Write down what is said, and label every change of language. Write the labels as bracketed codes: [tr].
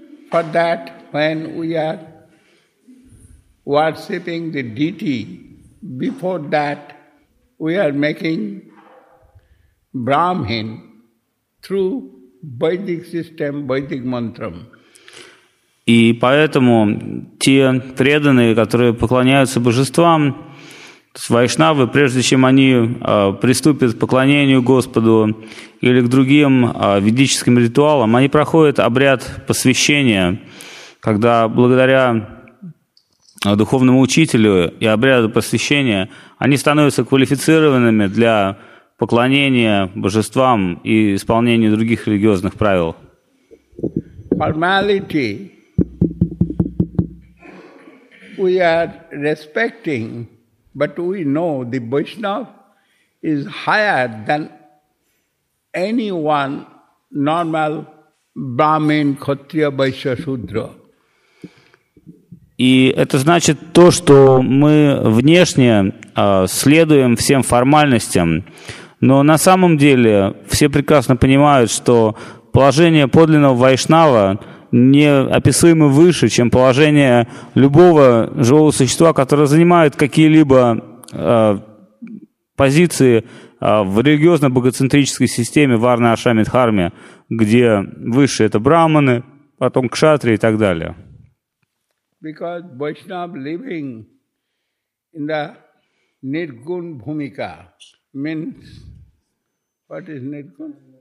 [en] For that, when we are worshipping the deity, before that, we are making Brahmin through Vaidic system, Vaidic mantram. [ru] И поэтому те преданные, которые поклоняются божествам, то есть вайшнавы, прежде чем они приступят к поклонению Господу или к другим ведическим ритуалам, они проходят обряд посвящения, когда благодаря духовному учителю и обряду посвящения они становятся квалифицированными для поклонения божествам и исполнения других религиозных правил. [en] Formality. We are respecting. But we know the Vaishnava is higher than anyone normal Brahmin, Kshatriya, Vaishya, Shudra. [ru] И это значит то, что мы внешне следуем всем формальностям, но на самом деле все прекрасно понимают, что положение подлинного вайшнава неописуемо выше, чем положение любого живого существа, которое занимает какие-либо позиции в религиозно-богоцентрической системе Варна Ашами Дхарме, где выше это брахманы, потом кшатри и так далее. [en] Because Vaishnava living in the nirgun bhumika means what is nirgun?